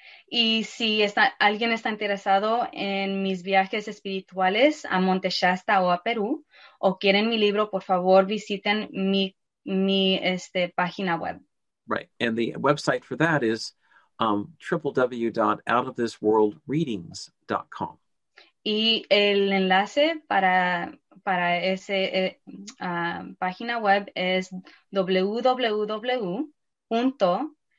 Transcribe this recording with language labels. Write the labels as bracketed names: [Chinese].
[Spanish] Y si alguien está interesado en mis viajes espirituales a Monte Shasta o a Perú, o quieren mi libro, por favor visiten mi página web. [English] Right, and the website for that is www.outofthisworldreadings.com. [Spanish] Y el enlace para ese página web es www.outofthisworldreadings.com.